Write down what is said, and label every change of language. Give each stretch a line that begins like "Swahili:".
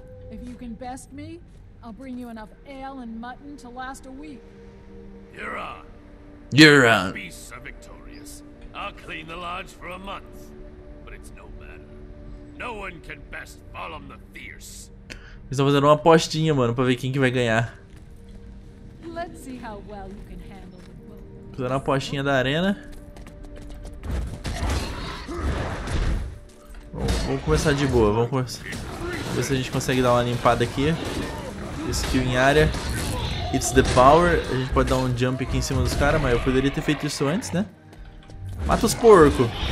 English: If you can best me, I'll bring you enough ale and mutton to last a week. You're on. You're on. The beasts are victorious. I'll clean the lodge for a month. But it's no matter. No one can best Balam the Fierce.
Portuguese: Eles estão fazendo uma apostinha, mano, pra ver quem que vai ganhar.
English: Let's see how well you can handle the bull.
Portuguese: Fazendo uma apostinha da arena. Vamos começar de boa, vamos começar. Vamos ver se a gente consegue dar uma limpada aqui. Skill em área.
English: It's the power.
Portuguese: A gente pode dar um jump aqui em cima dos caras, mas eu poderia ter feito isso antes, né? Mata os porco.